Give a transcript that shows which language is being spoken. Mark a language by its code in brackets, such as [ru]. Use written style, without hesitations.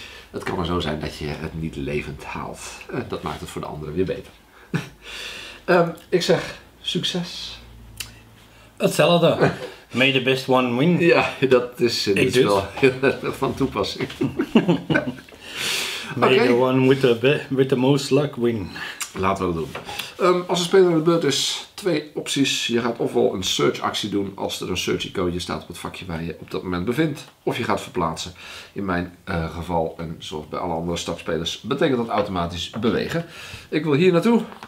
[nl] Het kan maar zo zijn dat je het niet levend haalt. Dat maakt het voor de anderen weer beter. Ik zeg succes. Hetzelfde. [en] May the best one win. [nl] Ja, dat is in dit spel heel erg van toepassing. [en] May the one with the most luck win. [nl] Laten we dat doen. Als een speler aan de beurt is, twee opties. Je gaat ofwel een search actie doen als er een search icoontje staat op het vakje waar je op dat moment bevindt. Of je gaat verplaatsen. In mijn geval, en zoals bij alle andere stapspelers, betekent dat automatisch bewegen. Ik wil hier naartoe.